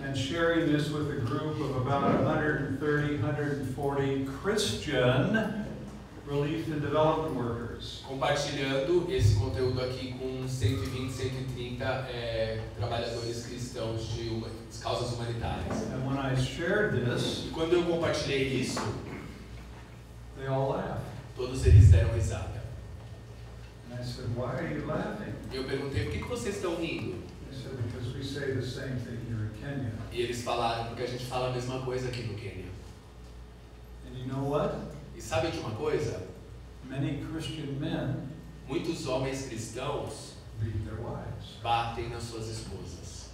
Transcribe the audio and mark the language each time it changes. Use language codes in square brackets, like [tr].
[en] And sharing this with a group of about 130-140 Christian relief and development workers. [pt] Compartilhando esse conteúdo aqui com 120-130 trabalhadores cristãos de causas humanitárias. [en] And when I shared this, [pt] e quando eu compartilhei isso, [en] they all laughed. [pt] Todos eles deram risada. [en] And I said, "Why are you laughing?" [pt] E eu perguntei, por que que vocês estão rindo? [en] They said, "Because we say the same thing here in Kenya." [pt] E eles falaram, porque a gente fala a mesma coisa aqui no Quênia. [en] And you know what? [pt] E sabe de uma coisa? [en] Many Christian men, [pt] muitos homens cristãos, [en] beat their wives. [pt] Batem nas suas esposas.